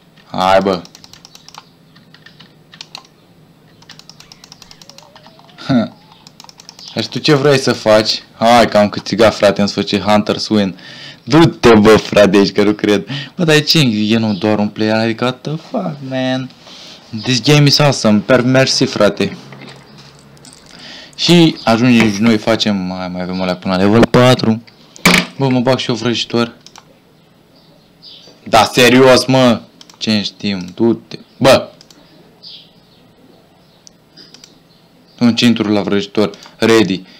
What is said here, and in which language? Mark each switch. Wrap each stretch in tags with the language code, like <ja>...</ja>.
<ro>Hai, bă! Ha! Și tu ce vrei să faci? Hai, că am câștigat, frate, în sfârșit, Hunter's Win! Du-te, bă, frate, de aici, că nu cred! Bă, dar ce? E nu doar un player, adică,</ro> <en>what the fuck, man? This game is awesome,</en> <ro>mersi frate. Și ajungem și noi facem, mai avem alea până la level 4. Bă, mă bag și eu vrăjitor. Da, serios, mă. Ce știm, du-te. Bă. Un cintru la vrăjitor, ready.</ro>